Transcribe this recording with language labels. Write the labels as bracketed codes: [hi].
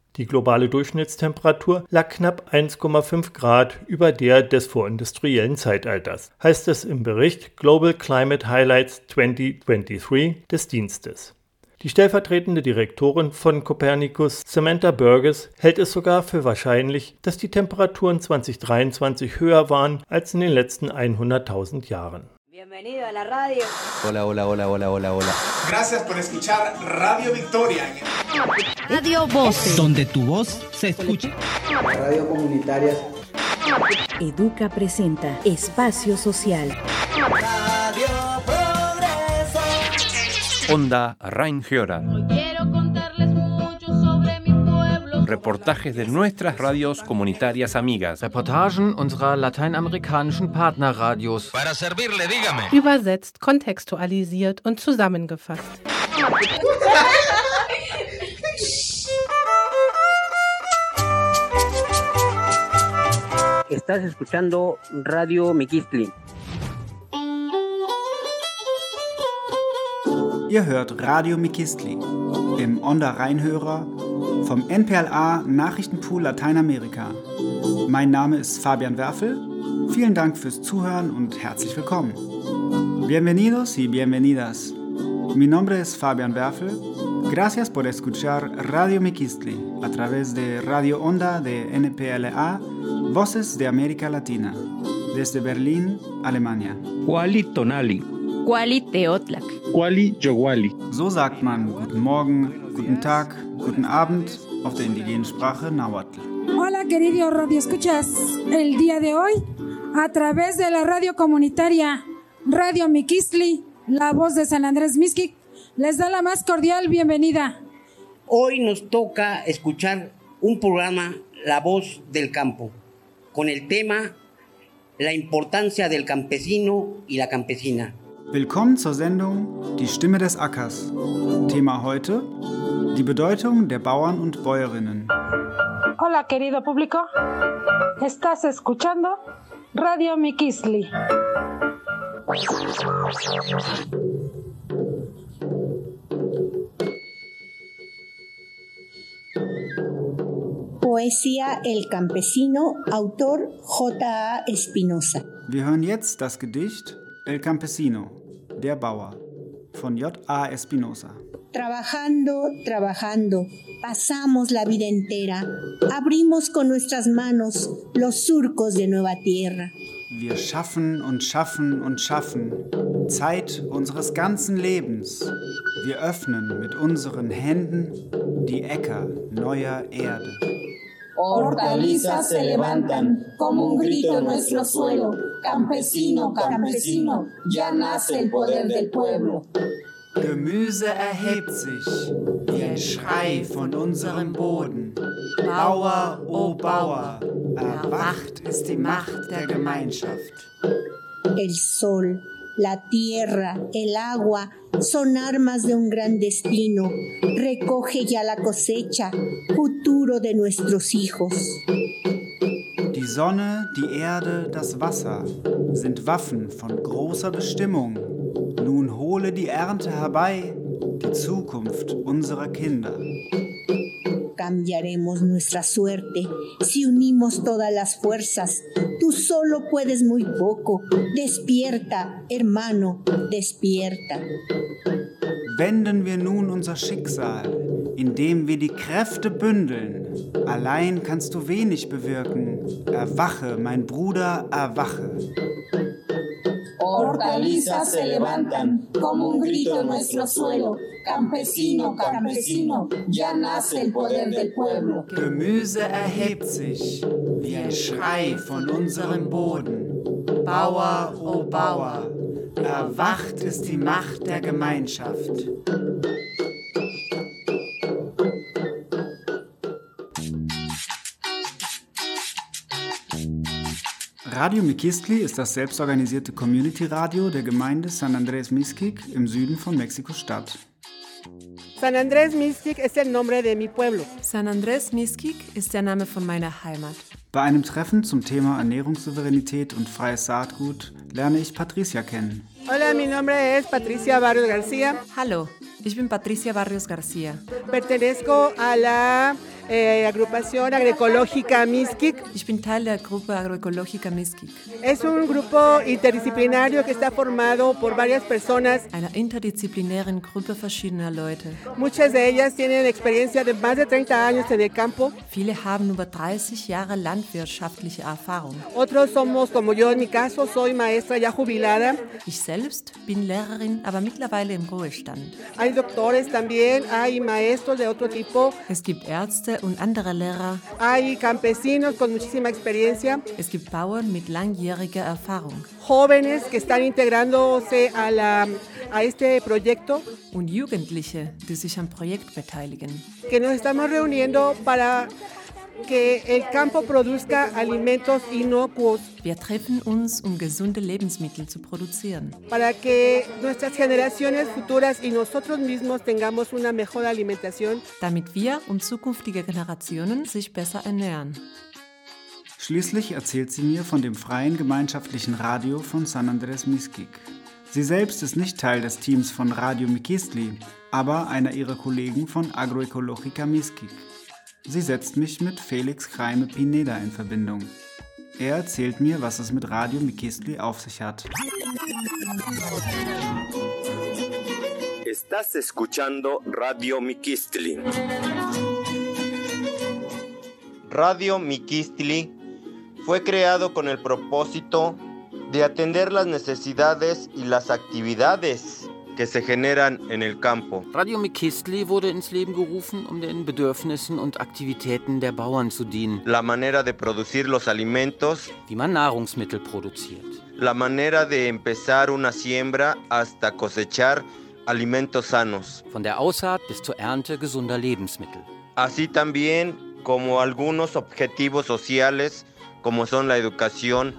[de] Die globale Durchschnittstemperatur lag knapp 1,5 Grad über der des vorindustriellen Zeitalters, heißt es im Bericht Global Climate Highlights 2023 des Dienstes. Die stellvertretende Direktorin von Copernicus, Samantha Burgess, hält es sogar für wahrscheinlich, dass die Temperaturen 2023 höher waren als in den letzten 100.000 Jahren. [es] Bienvenido a la radio. Hola, hola, hola, hola, hola, hola. Gracias por escuchar Radio Victoria. Radio Voces. Donde tu voz se escucha. Radio Comunitaria. Educa presenta Espacio Social. Radio Progreso. Onda Rheingeura. Reportajes de nuestras radios comunitarias amigas. [de] Reportagen unserer lateinamerikanischen Partnerradios. [es] Para servirle, dígame. [de] Übersetzt, kontextualisiert und zusammengefasst. [es] Estás escuchando Radio Mikistli. [de] Ihr hört Radio Mikistli im Onda Rheinhörer. Vom NPLA Nachrichtenpool Lateinamerika. Mein Name ist Fabian Werfel. Vielen Dank fürs Zuhören und herzlich willkommen. [es] Bienvenidos y bienvenidas. Mi nombre es Fabian Werfel. Gracias por escuchar Radio Mikistli a través de Radio Onda de NPLA, Voces de América Latina, desde Berlín, Alemania. [nah] Kuali tonali. Kuali teotlac. Kuali yowali. [de] So sagt man guten Morgen, guten Tag, guten Abend auf der indigenen Sprache Nahuatl. [es] Hola, querido Radio Escuchas. El día de hoy, a través de la radio comunitaria Radio Mikistli, la voz de San Andrés Mixquic, les da la más cordial bienvenida. Hoy nos toca escuchar un programa, La Voz del Campo, con el tema La importancia del campesino y la campesina. [de] Willkommen zur Sendung Die Stimme des Ackers. Thema heute: Die Bedeutung der Bauern und Bäuerinnen. [es] Hola, querido público. Estás escuchando Radio Mikistli. Poesía El Campesino, autor J.A. Espinosa. [de] Wir hören jetzt das Gedicht El Campesino, Der Bauer, von J.A. Espinosa. [es] Trabajando, trabajando, pasamos la vida entera. Abrimos con nuestras manos los surcos de nueva tierra. [de] Wir schaffen und schaffen und schaffen, Zeit unseres ganzen Lebens. Wir öffnen mit unseren Händen die Äcker neuer Erde. [es] Hortalizas se levantan como un grito en nuestro suelo. Campesino, campesino, ya nace el poder del pueblo. [de] Gemüse erhebt sich wie ein Schrei von unserem Boden. Bauer, oh Bauer, erwacht ist die Macht der Gemeinschaft. [es] El sol, la tierra, el agua son armas de un gran destino. Recoge ya la cosecha, futuro de nuestros hijos. [de] Die Sonne, die Erde, das Wasser sind Waffen von großer Bestimmung. Nun hole die Ernte herbei, die Zukunft unserer Kinder. [es] Cambiaremos nuestra suerte si unimos todas las fuerzas. Tú solo puedes muy poco. Despierta, hermano, despierta. [de] Wenden wir nun unser Schicksal, indem wir die Kräfte bündeln. Allein kannst du wenig bewirken. Erwache, mein Bruder, erwache. [es] Hortalizas se levantan como un grito en nuestro suelo. Campesino, campesino, ya nace el poder del pueblo. [de] Gemüse erhebt sich wie ein Schrei von unserem Boden. Bauer, oh Bauer, erwacht ist die Macht der Gemeinschaft. Radio Mixquic ist das selbstorganisierte Community-Radio der Gemeinde San Andrés Mixquic im Süden von Mexiko-Stadt. San Andrés Mixquic ist der Name [es] de mi pueblo. [de] San Andrés Mixquic ist der Name von meiner Heimat. Bei einem Treffen zum Thema Ernährungssouveränität und freies Saatgut lerne ich Patricia kennen. [es] Hola, mi nombre es Patricia Barrios García. [de] Hallo, ich bin Patricia Barrios García. [es] Pertenezco a la agrupación agroecológica Mixquic. [de] Ich bin Teil der Gruppe Agroecológica Mixquic. [es] Es un grupo interdisciplinario que está formado por varias personas. [de] Einer interdisziplinären Gruppe verschiedener Leute. [es] Muchas de ellas tienen experiencia de más de 30 años en el campo. [de] Viele haben über 30 Jahre landwirtschaftliche Erfahrung. [es] Otros somos como yo, en mi caso, soy maestra ya jubilada. [de] Ich selbst bin Lehrerin, aber mittlerweile im Ruhestand. [es] Hay doctores también, hay maestros de otro tipo. [de] Es gibt Ärzte und andere Lehrer. [es] Hay campesinos con muchísima experiencia. [de] Es gibt Bauern mit langjähriger Erfahrung. [es] Jóvenes que están integrándose a la a este proyecto. [de] Und Jugendliche, die sich am Projekt beteiligen. [es] Que nos estamos reuniendo para que el campo produzca alimentos inocuos. [de] Wir treffen uns, um gesunde Lebensmittel zu produzieren. [es] Para que nuestras generaciones futuras y nosotros mismos tengamos una mejor alimentación. [de] Damit wir und zukünftige Generationen sich besser ernähren. Schließlich erzählt sie mir von dem freien gemeinschaftlichen Radio von San Andrés Mixquic. Sie selbst ist nicht Teil des Teams von Radio Mixquic, aber einer ihrer Kollegen von Agroecológica Mixquic. Sie setzt mich mit Felix Jaime Pineda in Verbindung. Er erzählt mir, was es mit Radio Mixquic auf sich hat. [es] Estás escuchando Radio Mixquic. Radio Mixquic fue creado con el propósito de atender las necesidades y las actividades que se generan en el campo. [de] Radio Mixquic wurde ins Leben gerufen, um den Bedürfnissen und Aktivitäten der Bauern zu dienen. [es] La manera de producir los alimentos. [de] Wie man Nahrungsmittel produziert. [es] La manera de empezar una siembra hasta cosechar alimentos sanos. [de] Von der Aussaat bis zur Ernte gesunder Lebensmittel. [es] Así también como algunos objetivos sociales como son la educación.